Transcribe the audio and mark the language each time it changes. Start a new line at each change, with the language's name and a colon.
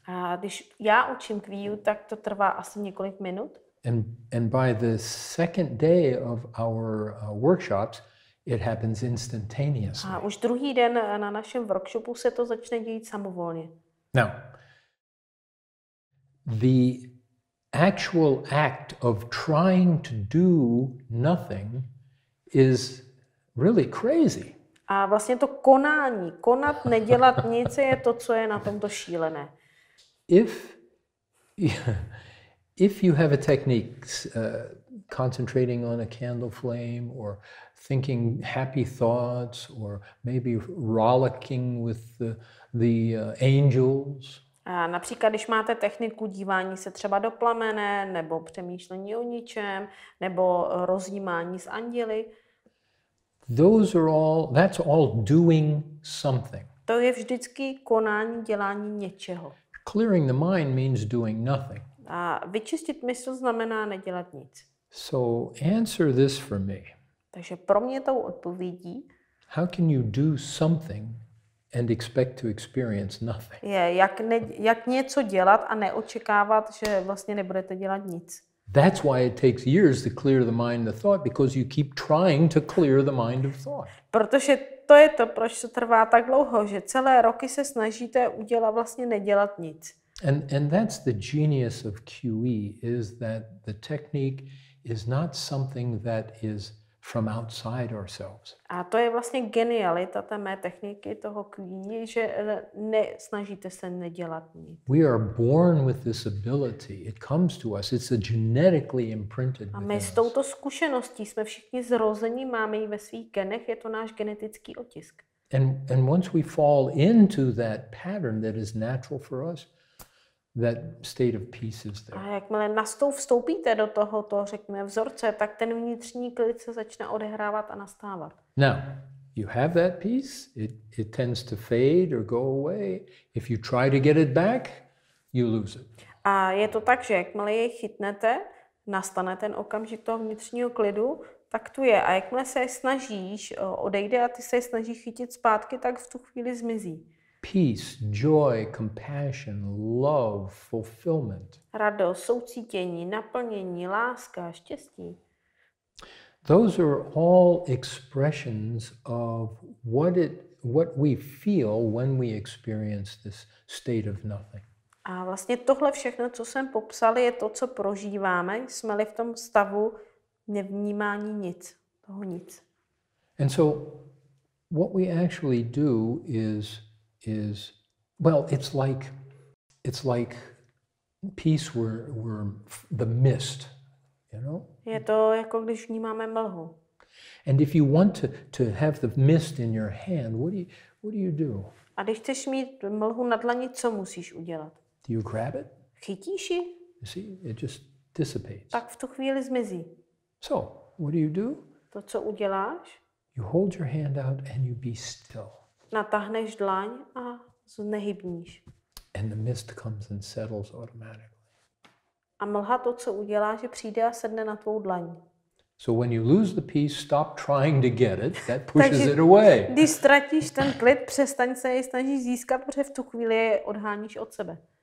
Czech: A když já učím QE, tak to trvá asi několik minut.
English: And by the second day of our workshops, it happens instantaneously.
Czech: A už druhý den na našem workshopu se to začne dít samovolně.
English: Now, the actual act of trying to do nothing is really crazy.
Czech: A vlastně to konání, konat, nedělat nic, je to, co je na tomto šílené.
English: If you have a technique concentrating on a candle flame or thinking happy thoughts or maybe rollicking with the angels.
Czech: A například, když máte techniku dívání se třeba do plamene nebo přemýšlení o ničem nebo rozjímání s anděly.
English: That's all doing something.
Czech: To je vždycky konání, dělání něčeho.
English: Clearing the mind means doing nothing.
Czech: A vyčistit mysl znamená nedělat nic.
English: So answer this for me.
Czech: Takže pro mě tou odpovědí.
English: How can you do something and expect to experience nothing?
Czech: Je, jak něco dělat a neočekávat, že vlastně nebudete dělat nic.
English: That's why it takes years to clear the mind of thought, because you keep trying to clear the mind of thought.
Czech: Protože to je to, proč to trvá tak dlouho, že celé roky se snažíte udělat vlastně nedělat nic.
English: And that's the genius of QE, is that the technique is not something that is from outside ourselves.
Czech: A to je vlastně genialita té mé techniky, toho QE, že nesnažíte se nedělat nic.
English: We are born with this ability. It comes to us. It's a genetically imprinted.
Czech: A my s touto zkušeností jsme všichni zrození, máme ji ve svých genech, je to náš genetický otisk.
English: And once we fall into that pattern that is natural for us, that state of peace is there.
Czech: A jakmile vstoupíte do tohoto, řekněme, vzorce, tak ten vnitřní klid se začne odehrávat a nastávat.
English: Now, you have that peace, it tends to fade or go away. If you try to get it back, you lose it.
Czech: A je to tak, že jakmile jej chytnete, nastane ten okamžik toho vnitřního klidu, tak tu je. A jakmile se snažíš, odejde a ty se snažíš chytit zpátky, tak v tu chvíli zmizí.
English: Peace, joy, compassion, love, fulfillment.
Czech: Radost, soucítění, naplnění, láska, štěstí.
English: Those are all expressions of what we feel when we experience this state of nothing.
Czech: A vlastně tohle všechno, co jsem popsal, je to, co prožíváme, jsme-li v tom stavu nevnímání nic, toho nic.
English: And so what we actually do is it's like peace were the mist, you know.
Czech: Je to jako když vnímáme mlhu.
English: And if you want to have the mist in your hand, what do you do?
Czech: A když chceš mít mlhu na dlani, co musíš udělat?
English: Do you grab it?
Czech: Chytíš ji?
English: You see, it just dissipates.
Czech: Tak v tu chvíli zmizí.
English: So what do you do?
Czech: To, co uděláš?
English: You hold your hand out and you be still.
Czech: Natáhneš dlaň a znehybníš.
English: And the mist comes and settles automatically.
Czech: A mlha to, co udělá, že přijde a sedne na tvou dlaň.
English: So when you lose the peace, stop trying to get it. That pushes it away.
Czech: Když ztratíš ten klid, přestaň se jej snažit získat, protože v tu chvíli je odháníš od sebe.